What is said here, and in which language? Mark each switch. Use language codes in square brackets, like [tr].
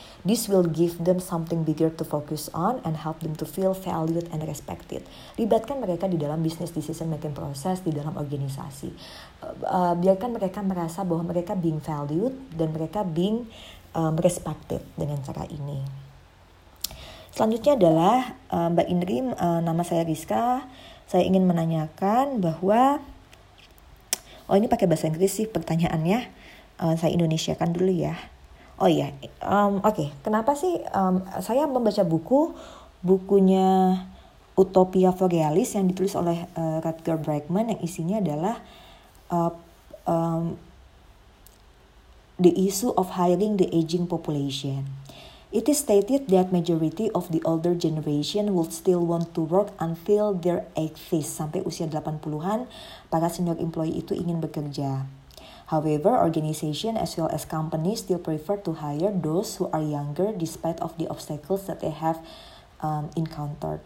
[en] This will give them something bigger to focus on and help them to feel valued and respected. [id] Libatkan mereka di dalam [en] business decision making process [id] di dalam organisasi. Biarkan mereka merasa bahwa mereka [en] being valued [id] dan mereka [en] being respected [id] dengan cara ini. Selanjutnya adalah Mbak Indri, nama saya Rizka. Saya ingin menanyakan bahwa, oh ini pakai bahasa Inggris sih pertanyaannya. Saya Indonesiakan dulu ya. Oh iya, oke. Kenapa sih saya membaca bukunya Utopia for Realists yang ditulis oleh Rutger Bregman, yang isinya adalah [en] the issue of hiring the aging population. It is stated that majority of the older generation will still want to work until their 80s, [id] sampai usia 80-an para senior employee itu ingin bekerja. [en] However, organizations as well as companies still prefer to hire those who are younger despite of the obstacles that they have encountered.